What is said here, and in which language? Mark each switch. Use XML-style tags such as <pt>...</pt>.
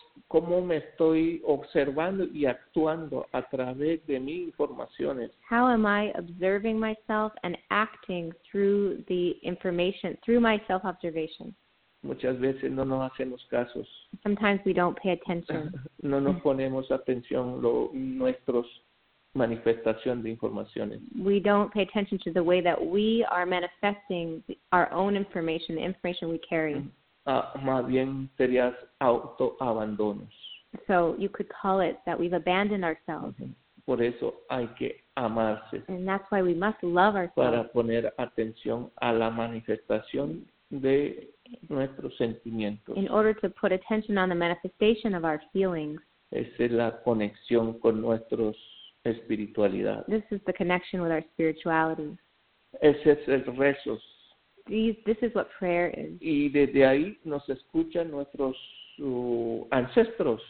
<es>¿Cómo me estoy observando y actuando a través de mis informaciones?</es> <en>How am I observing myself and acting through the information, through my self-observation?</en> <es>Muchas veces no nos hacemos casos.</es> <en>Sometimes we don't pay attention.</en> <es>No nos ponemos atención a nuestras manifestaciones de informaciones.</es> <en>We don't pay attention to the way that we are manifesting our own information, the information we carry.</en> <es>Más bien sería autoabandonos.</es> <en>So you could call it that we've abandoned ourselves.</en> <es>Uh-huh. Por eso hay que amarse.</es> <en>And that's why we must love ourselves.</en> <es>Para poner atención a la manifestación de nuestros sentimientos.</es> <en>In order to put attention on the manifestation of our feelings.</en> <es>Esa es la conexión con nuestra espiritualidad.</es> <en>This is the connection with our spirituality.</en> <es>Ese es el rezo.</es> <en>This is what prayer is.</en> <es>Y desde ahí nos escuchan nuestros ancestros.</es>